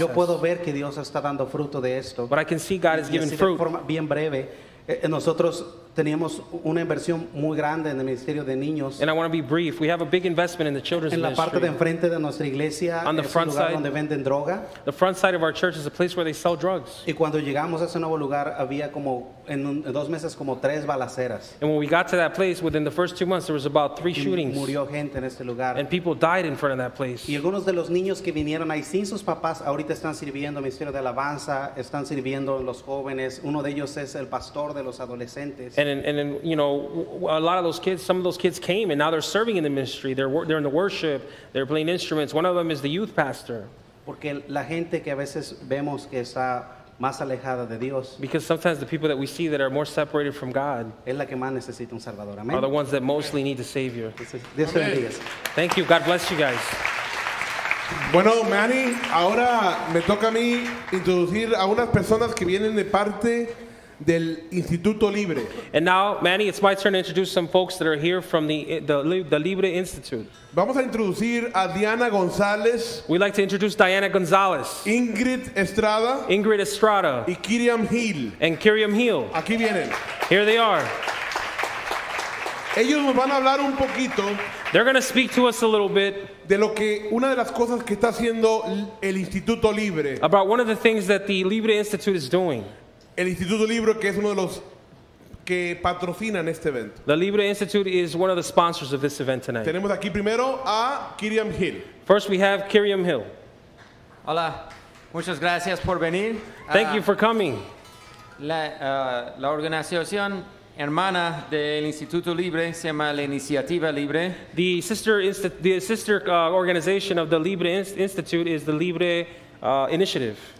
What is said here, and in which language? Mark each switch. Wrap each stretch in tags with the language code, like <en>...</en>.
<es>Yo puedo ver que Dios está dando fruto de esto.</es> <en>But I can see God has given fruit.</en> <es>De forma bien breve, nosotros teníamos una inversión muy grande en el ministerio de niños.</es> <en>And I want to be brief. We have a big investment in the children's ministry.</en> <es>En la parte de enfrente de nuestra iglesia,</es> <en>on the front side,</en> <es>donde venden droga.</es> <en>The front side of our church is a place where they sell drugs.</en> <es>Y cuando llegamos a ese nuevo lugar, había como en 2 meses como 3 balaceras.</es> <en>And when we got to that place, within the first 2 months, there was about 3 shootings.</en> <es>Murió gente en este lugar.</es> <en>And people died in front of that place.</en> <es>Y algunos de los niños que vinieron ahí sin sus papás, ahorita están sirviendo en el ministerio de alabanza, están sirviendo en los jóvenes. Uno de ellos es el pastor de los adolescentes.</es> <en>And then, you know, a lot of those kids, some of those kids came, and now they're serving in the ministry. They're in the worship. They're playing instruments. One of them is the youth pastor.</en> <es>Porque la gente que a veces vemos que está más alejada de Dios.</es> <en>Because sometimes the people that we see that are more separated from God</en> <es>es la que más necesita un Salvador. Amen.</es> <en>Are the ones that mostly need the Savior.</en> <es>Dios bendiga.</es> <en>Thank you. God bless you guys.</en> <es>Bueno, Manny, ahora me toca a mí introducir a unas personas que vienen de parte del Instituto Libre.</es> <en>And now, Manny, it's my turn to introduce some folks that are here from the Libre Institute.</en> <es>Vamos a introducir a Diana González.</es> <en>We'd like to introduce Diana González.</en> <es>Ingrid Estrada. Y Kiriam Hill.</es> <en>And Kiriam Hill.</en> <es>Aquí vienen.</es> <en>Here they are.</en> <es>Ellos nos van a hablar un poquito.</es> <en>They're going to speak to us a little bit.</en> <es>De lo que una de las cosas que está haciendo el Instituto Libre.</es> <en>About one of the things that the Libre Institute is doing.</en> <es>El Instituto Libre, que es uno de los que patrocinan este evento.</es> <en>The Libre Institute is one of the sponsors of this event tonight.</en> <es>Tenemos aquí primero a Kiriam Hill.</es> <en>First we have Kiriam Hill.</en> <es>Hola, muchas gracias por venir.</es> <en>Thank you for coming.</en> <es>La organización hermana del Instituto Libre se llama la Iniciativa Libre.</es> <en>The sister organization of the Libre Institute is the Libre Initiative.</en>